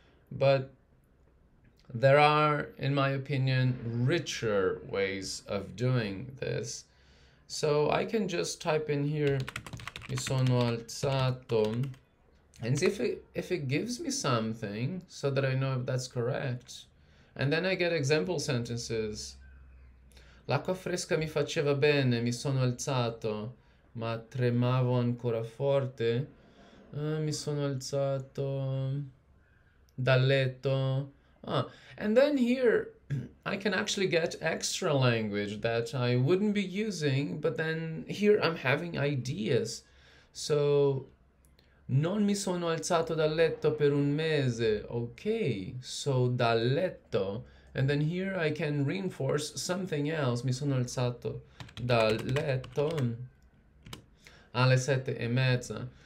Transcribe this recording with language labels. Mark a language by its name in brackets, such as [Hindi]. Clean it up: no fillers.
[English] But there are, in my opinion, richer ways of doing this. So I can just type in here, [Italian] mi sono alzato, [English] and see if it gives me something so that I know if that's correct. And then I get example sentences. [Italian] L'acqua fresca mi faceva bene, mi sono alzato, ma tremavo ancora forte. Mi sono alzato dal letto. [English] And then here I can actually get extra language that I wouldn't be using, but then here I'm having ideas. [Italian] So, non mi sono alzato dal letto per un mese. [English] Okay, so [Italian] dal letto. [English] And then here I can reinforce something else. [Italian] Mi sono alzato dal letto alle 7:30.